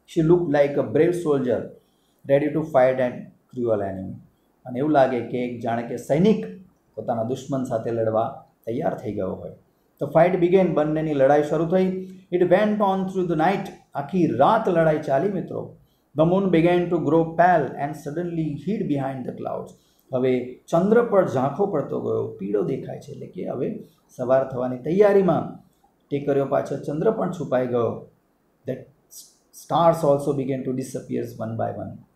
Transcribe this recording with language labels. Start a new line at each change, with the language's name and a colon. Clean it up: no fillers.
English: she look like a brave soldier ready to fight and cruel enemy,
Gujarati: અને એવું લાગે કે એક જાણે કે સૈનિક પોતાના દુશ્મન સાથે લડવા તૈયાર થઈ ગયો હોય। તો
English: fight begin,
Gujarati: બંનેની લડાઈ શરૂ થઈ,
English: it went on through the night,
Gujarati: આખી રાત લડાઈ ચાલી મિત્રો।
English: The moon began to grow pale and suddenly hid behind the clouds.
Gujarati: હવે ચંદ્ર પર ઝાંખો પડતો ગયો, પીળો દેખાય છે, એટલે કે હવે સવાર થવાની તૈયારીમાં ટેકરીઓ પાછળ ચંદ્ર પણ છુપાઈ ગયો।
English: That stars also began to disappear one by one.